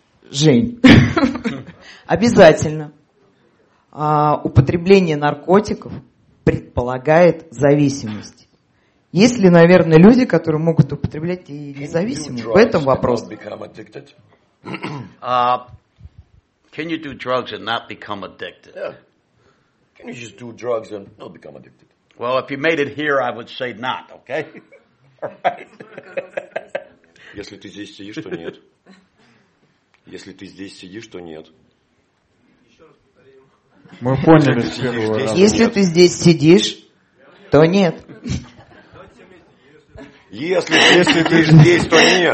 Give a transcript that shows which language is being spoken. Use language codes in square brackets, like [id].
[ru] Жень. Обязательно. Употребление наркотиков предполагает зависимость. Есть ли, наверное, люди, которые могут употреблять и независимость? В этом вопрос. [en] Can you do drugs and not become addicted? Yeah. Can you just do drugs and not become addicted? Well, if you made it here, I would say not, okay? [ru] Если ты здесь сидишь, то нет. Если ты здесь сидишь, то нет. Мы поняли. Если ты здесь сидишь, то нет. Если ты здесь, то нет.